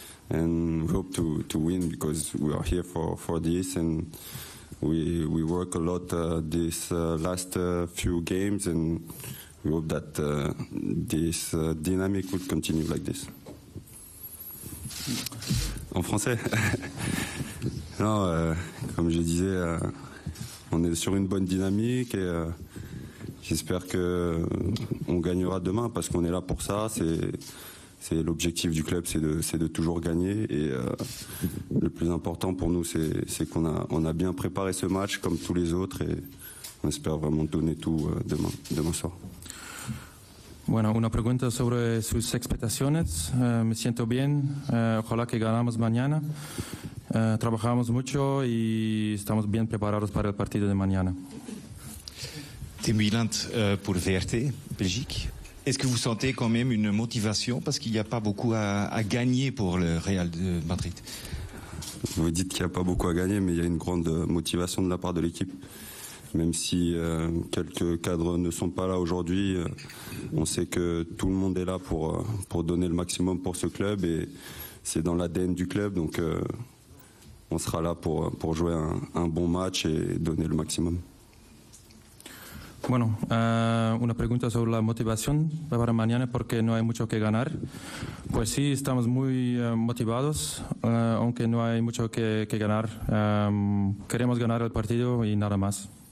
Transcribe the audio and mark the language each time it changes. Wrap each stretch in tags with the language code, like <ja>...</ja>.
<en>And we hope to win because we are here for this. And we work a lot this last few games and we hope that this dynamic will continue like this.</en> <fr>En français. Non, comme je disais, on est sur une bonne dynamique et j'espère que on gagnera demain parce qu'on est là pour ça. C'est l'objectif du club, c'est de toujours gagner. Et le plus important pour nous, c'est qu'on a bien préparé ce match comme tous les autres et on espère vraiment donner tout demain soir.</fr> <es>Bueno, una pregunta sobre sus expectaciones. Me siento bien. Ojalá que ganamos mañana. Trabajamos mucho y estamos bien preparados para el partido de mañana.</es> <fr>Tim Wieland pour VRT, Belgique. Est-ce que vous sentez quand même une motivation parce qu'il n'y a pas beaucoup à gagner pour le Real de Madrid? Vous dites qu'il n'y a pas beaucoup à gagner, mais il y a une grande motivation de la part de l'équipe. Même si quelques cadres ne sont pas là aujourd'hui, on sait que tout le monde est là pour donner le maximum pour ce club et c'est dans l'ADN du club, donc on sera là pour jouer un bon match et donner le maximum.</fr> <es>Bueno, una pregunta sobre la motivación para mañana porque no hay mucho que ganar. Pues sí, estamos muy motivados, aunque no hay mucho que ganar. Queremos ganar el partido y nada más.</es>